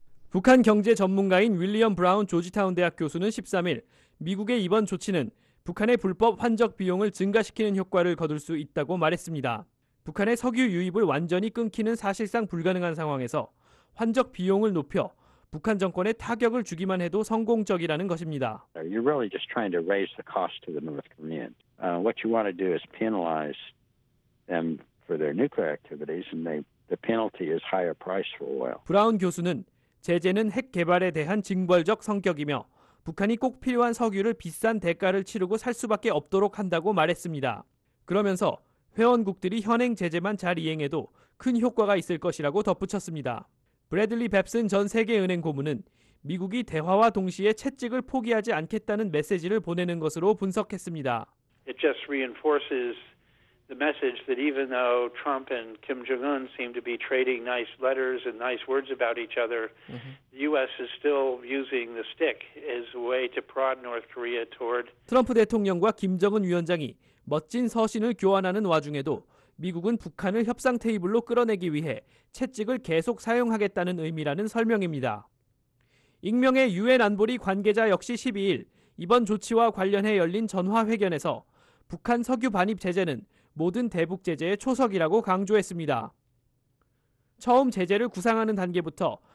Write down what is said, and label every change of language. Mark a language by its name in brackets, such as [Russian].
[Korean] 북한 경제 전문가인 윌리엄 브라운 조지타운 대학 교수는 13일 미국의 이번 조치는 북한의 불법 환적 비용을 증가시키는 효과를 거둘 수 있다고 말했습니다. 북한의 석유 유입을 완전히 끊기는 사실상 불가능한 상황에서 환적 비용을 높여 북한 정권에 타격을 주기만 해도 성공적이라는 것입니다. [English] You're really just trying to raise the cost to the North Koreans. What you want to do is penalize them for their nuclear activities and the penalty is higher price for oil. [Korean] 브라운 교수는 제재는 핵 개발에 대한 징벌적 성격이며 북한이 꼭 필요한 석유를 비싼 대가를 치르고 살 수밖에 없도록 한다고 말했습니다. 그러면서 회원국들이 현행 제재만 잘 이행해도 큰 효과가 있을 것이라고 덧붙였습니다. 브래들리 뱁슨 전 세계은행 고문은 미국이 대화와 동시에 채찍을 포기하지 않겠다는 메시지를 보내는 것으로 분석했습니다. [English] It just reinforces the message that even though Trump and Kim Jong-un seem to be trading nice letters and nice words about each other, the U.S. is still using the stick as a way to prod North Korea toward. [Korean] 트럼프 대통령과 김정은 위원장이 멋진 서신을 교환하는 와중에도 미국은 북한을 협상 테이블로 끌어내기 위해 채찍을 계속 사용하겠다는 의미라는 설명입니다. 익명의 유엔 안보리 관계자 역시 12일 이번 조치와 관련해 열린 전화회견에서 북한 석유 반입 제재는 모든 대북 제재의 초석이라고 강조했습니다. 처음 제재를 구상하는 단계부터